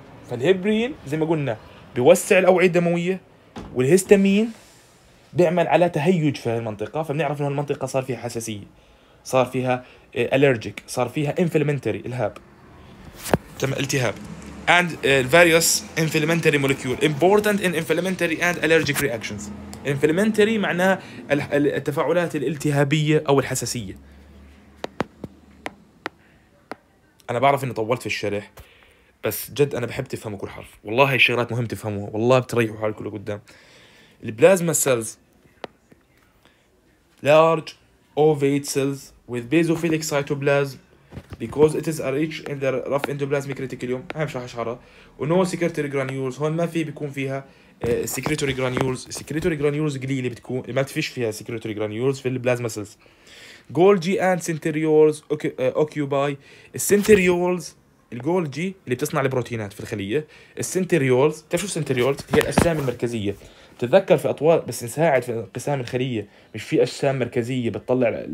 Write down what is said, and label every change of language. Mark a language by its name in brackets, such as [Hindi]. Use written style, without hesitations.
[Arabic] فالهيبرين زي ما قلنا بيوسع الأوعية الدموية، والهيستامين بيعمل على تهيج في المنطقة، فبنعرف انه المنطقة صار فيها حساسية، صار فيها allergic، صار فيها inflammatory الهاب، تم التهاب. [English] and various inflammatory molecule important in inflammatory and allergic reactions. [Arabic] inflammatory معناها التفاعلات الالتهابية أو الحساسية. أنا بعرف إني طولت في الشرح بس جد أنا بحب تفهم كل حرف، والله هاي الشغلات مهم تفهموها، والله بتريحوا حالكم لقدام. [English] البلازما cells large ovate cells with basophilic cytoplasm because it is rich in the rough endoplasmic reticulum [Arabic] هاي مش راح اشعرها و [English] no secretory granules [Arabic] هون ما في بيكون فيها secretory granules secretory granules قليلة بتكون ما تفيش فيها secretory granules في البلازما سيلز [English] Golgi and centrioles occupy [Arabic] centrioles الجولجي اللي بتصنع البروتينات في الخلية السنتريولز تعرف شو السنتريولز هي الأجسام المركزية بتتذكر في أطوار بس نساعد في انقسام الخلية مش في أجسام مركزية بتطلع